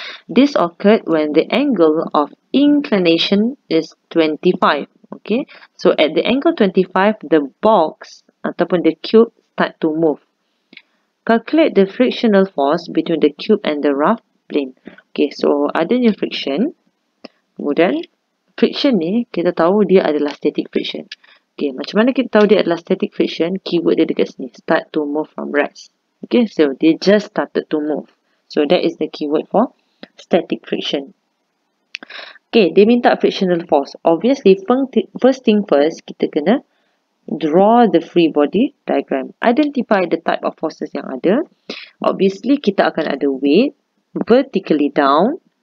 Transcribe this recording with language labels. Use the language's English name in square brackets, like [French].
[English] This occurred when the angle of inclination is 25. Okay, so at the angle 25, the box ataupun the cube start to move. Calculate the frictional force between the cube and the rough plane. Okay, so adanya friction. [Malay] Kemudian, friction ni kita tahu dia adalah static friction. Okay, macam mana kita tahu dia adalah static friction? [English] Keyword dia [Malay] dekat sini, [English] start to move from rest. Okay, so dia just started to move. So, that is the keyword for static friction. Okay, [Malay] dia minta [English] frictional force. Obviously, first thing first, [Malay] kita kena [English] draw the free body diagram. Identify the type of forces [Malay] yang ada. [English] Obviously, [Malay] kita akan ada [English] weight vertically down.